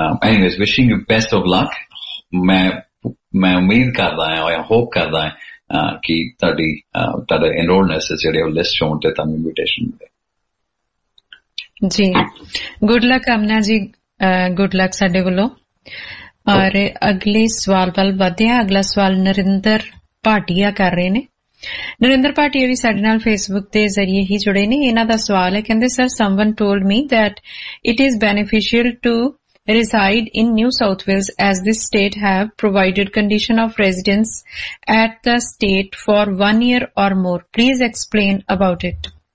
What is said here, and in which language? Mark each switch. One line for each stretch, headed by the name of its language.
English: Anyways, wishing you best of luck.
Punjabi: Main umeed karda hai aur hope karda hai ਕਿ ਤੁਹਾਡੀ ਤੁਹਾਡਾ enrolment ਹੈ ਜਿਹੜੇ ਉਹ ਲਿਸਟ ਹੋਣ ਤੇ ਤੁਹਾਨੂੰ ਇਨਵੀਟੇਸ਼ਨ ਮਿਲੇ ਜੀ। ਗੁੱਡ ਲੱਕ ਅਮਨਾ ਜੀ, ਗੁੱਡ ਲੱਕ ਸਾਡੇ ਵੱਲੋਂ। ਔਰ ਅਗਲੇ ਸਵਾਲ ਵੱਲ ਵਧਿਆ, ਅਗਲਾ ਸਵਾਲ ਨਰਿੰਦਰ ਭਾਟੀਆ ਕਰ ਰਹੇ ਨੇ। ਨਰਿੰਦਰ ਭਾਟੀਆ ਵੀ ਸਾਡੇ ਨਾਲ ਫੇਸਬੁੱਕ ਦੇ ਜ਼ਰੀਏ ਹੀ ਜੁੜੇ ਨੇ। ਇਹਨਾਂ ਦਾ ਸਵਾਲ ਹੈ, ਕਹਿੰਦੇ sir,
English: Someone told me that it is beneficial to reside in New South Wales as this state have provided condition of residence at the state for 1 year or more. Please explain about it.